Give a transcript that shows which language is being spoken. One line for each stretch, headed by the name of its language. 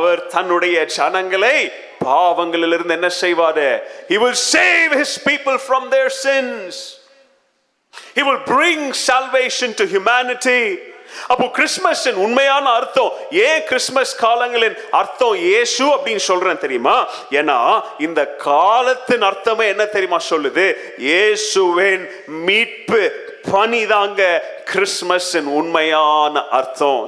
Tamil: ஜனங்களை பாவங்களில் இருந்து என்ன செய்வாரு?
English: He will save his people from their sins. He will bring salvation to humanity.
Tamil: அப்போ கிறிஸ்துமஸின் உண்மையான அர்த்தம், ஏன் கிறிஸ்துமஸ் காலங்களின் அர்த்தம் இயேசு அப்படின்னு சொல்றேன் தெரியுமா? ஏன்னா இந்த காலத்தின் அர்த்தமே என்ன தெரியுமா சொல்லுது? இயேசுவின் மீட்பு பணிதாங்க கிறிஸ்துமஸின் உண்மையான அர்த்தம்.